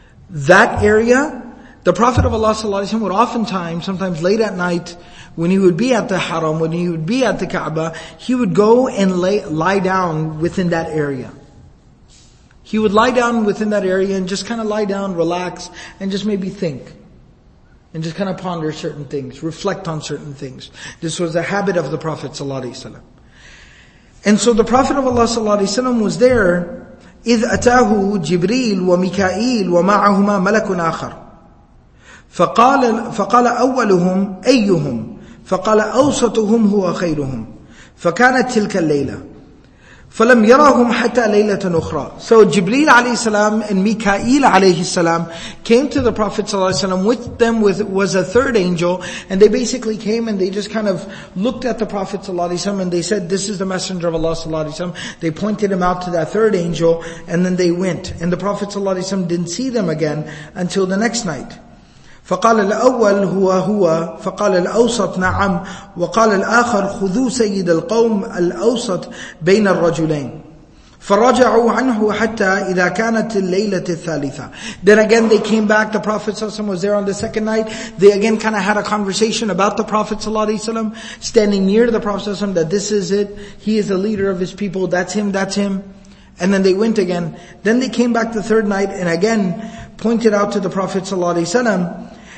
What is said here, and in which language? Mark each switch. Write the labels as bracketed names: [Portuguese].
[English] That area. The Prophet of Allah sallallahu alayhi wa sallam would oftentimes, sometimes late at night, when he would be at the haram, when he would be at the Kaaba, he would go and lie down within that area. He would lie down within that area and just kind of lie down, relax, and just maybe think. And just kind of ponder certain things, reflect on certain things. This was a habit of the Prophet sallallahu alayhi wa sallam. And so the Prophet of Allah sallallahu alayhi wa sallam was there, [Arabic] إِذْ أَتَاهُ جِبْرِيلُ وَمِكَائِيلُ وَمَعَهُمَا مَلَكٌ آخَرٌ فقال أولهم أيهم فقال أوسطهم هو خيرهم فكانت تلك الليلة فلم يراهم حتى ليلة أخرى. [English] So Jibreel alayhi salam and Mikael alayhi salam came to the Prophet sallallahu alayhi salam with them was a third angel, and they basically came and they just kind of looked at the Prophet sallallahu alayhi salam and they said, this is the Messenger of Allah sallallahu alayhi salam. They pointed him out to that third angel and then they went, and the Prophet sallallahu alayhi salam didn't see them again until the next night. [Arabic] فقال الأول هو هو فقال الأوسط نعم وقال الآخر خذوا سيد القوم الأوسط بين الرجلين فرجعوا عنه حتى إذا كانت الليلة الثالثة. [English] Then again they came back, the Prophet ﷺ was there on the second night, they again kind of had a conversation about the Prophet ﷺ, standing near the Prophet ﷺ, that this is it, he is the leader of his people, that's him. And then they went again. Then they came back the third night and again pointed out to the Prophet ﷺ.